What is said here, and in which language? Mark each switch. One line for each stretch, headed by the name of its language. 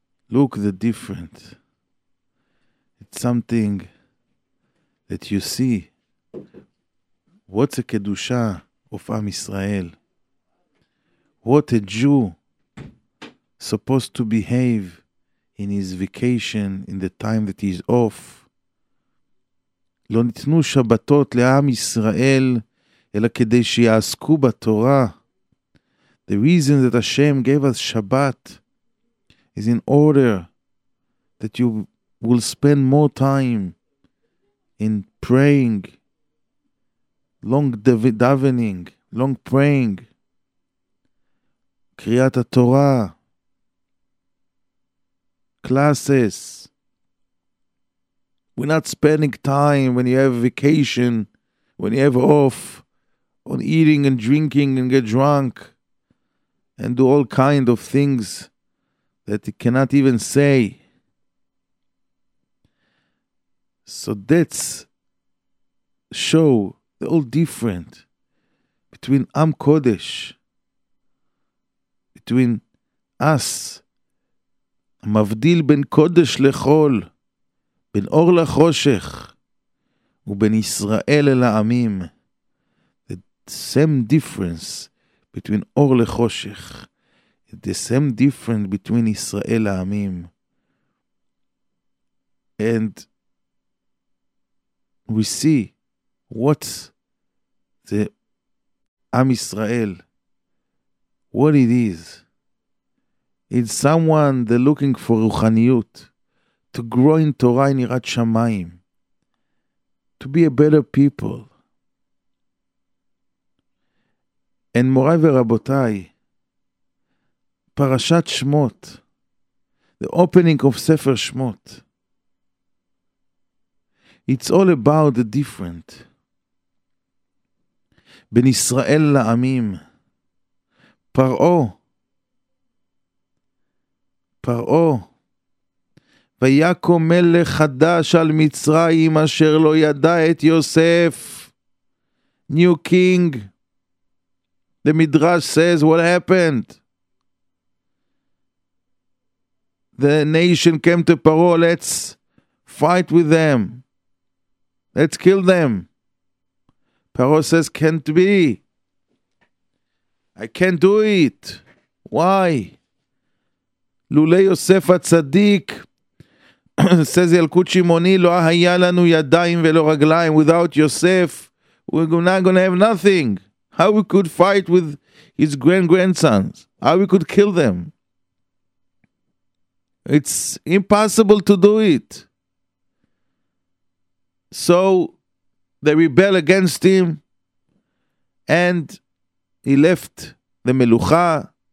English: Look the difference. It's something that you see. What's a Kedusha of Am Israel? What a Jew supposed to behave in his vacation, in the time that he's off.
Hebrew: לא ניתנו שבתות לעם ישראל, אלא כדי שיעסקו בתורה.
English: The reason that Hashem gave us Shabbat is in order that you will spend more time in praying, long davening, long praying,
Hebrew: קריאת התורה,
English: classes. We're not spending time when you have vacation, when you have off, on eating and drinking and get drunk and do all kind of things that you cannot even say. So that's show the whole difference between Am Kodesh, between us.
Hebrew: המבדיל בין קודש לחול, בין אור לחושך, ובין ישראל אל העמים.
English: The same difference between
Hebrew: אור לחושך.
English: The same difference between
Hebrew: ישראל לעמים.
English: And we see what the עם ישראל, what it is. It's someone that's looking for Ruchaniyut, to grow in Torah in Yirat Shamayim, to be a better people. And Moray v'Rabotai, Parashat Shemot, the opening of Sefer Shemot, it's all about the difference.
Hebrew: Ben Israel la'amim, Paro, פרעו, ויקום מלך חדש על מצרים אשר לא ידע את יוסף.
English: New king. The midrash says, what happened? The nation came to Paro, let's fight with them. Let's kill them. Paro says, can't be. I can't do it. Why?
Hebrew: לולי יוסף הצדיק,
English: says
Hebrew: ילקוט שמעוני, לא היה לנו ידיים ולא רגליים.
English: Without Yosef, we're not going to have nothing. How we could fight with his grandsons? How we could kill them? It's impossible to do it. So they rebel against him, and he left the מלוכה.